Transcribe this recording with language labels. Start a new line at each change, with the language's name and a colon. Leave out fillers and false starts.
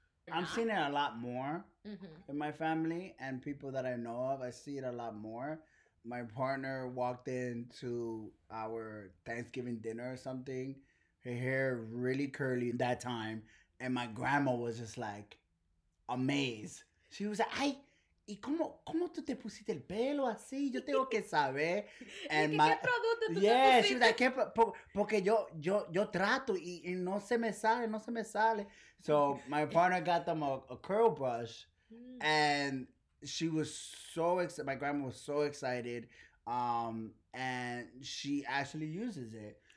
English: I'm seeing it a lot more mm-hmm. in my family and people that I know of. I see it a lot more. My partner walked into our Thanksgiving dinner or something. Her hair really curly at that time. And my grandma was just like amazed. She was like, ay.
Spanish: ¿Y cómo tú te pusiste el pelo así? Yo tengo que saber. And ¿y qué producto tú
English: yeah, she was like,
Spanish: porque yo trato y no se me sale, no se me sale.
English: So my partner got them a curl brush and she was so excited. My grandma was so excited and she actually uses it.